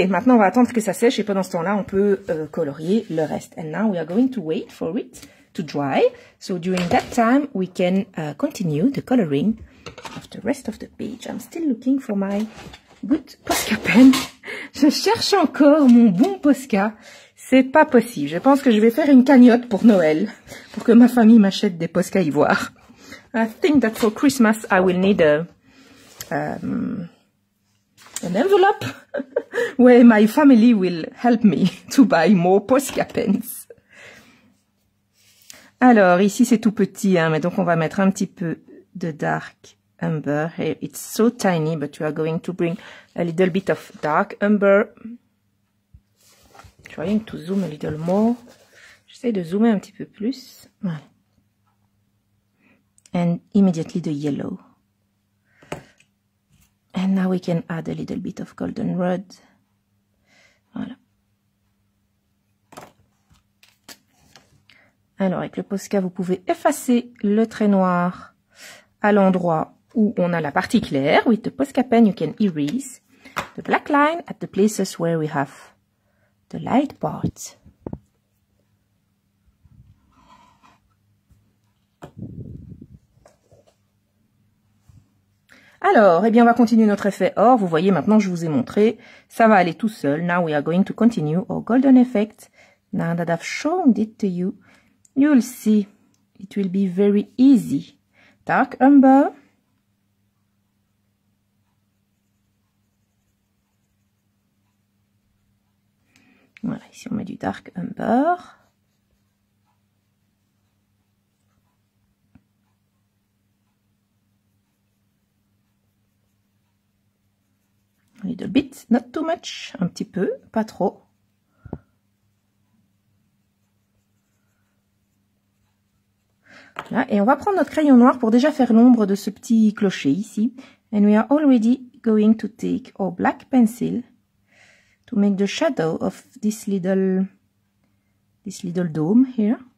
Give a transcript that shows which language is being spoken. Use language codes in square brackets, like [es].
[fr] maintenant on va attendre que ça sèche et pendant ce temps-là, on peut colorier le reste. [en] And now we are going to wait for it to dry. So during that time, we can continue the coloring of the rest of the page. I'm still looking for my good Posca pen. [fr] Je cherche encore mon bon Posca. C'est pas possible. Je pense que je vais faire une cagnotte pour Noël pour que ma famille m'achète des Posca ivoire. [en] I think that for Christmas, I will need an envelope where my family will help me to buy more Posca pens. [fr] Alors, ici, c'est tout petit, hein, mais donc on va mettre un petit peu de dark umber. [en] It's so tiny, but you are going to bring a little bit of dark umber. Trying to zoom a little more. [fr] J'essaie de zoomer un petit peu plus. Voilà. [en] And immediately the yellow. And now we can add a little bit of goldenrod. Voilà. [fr] Alors, avec le Posca, vous pouvez effacer le trait noir à l'endroit où on a la partie claire. [en] With the Posca pen, you can erase the black line at the places where we have the light part. [fr] Alors, eh bien, on va continuer notre effet or. Vous voyez, maintenant, je vous ai montré. Ça va aller tout seul. [en] Now we are going to continue our golden effect. Now that I've shown it to you, you'll see it will be very easy. Dark umber. [fr] Voilà, ici on met du dark umber. [en] A little bit, not too much, [fr] un petit peu, pas trop. Voilà, et on va prendre notre crayon noir pour déjà faire l'ombre de ce petit clocher ici. [en] And we are already going to take our black pencil to make the shadow of this little dome here.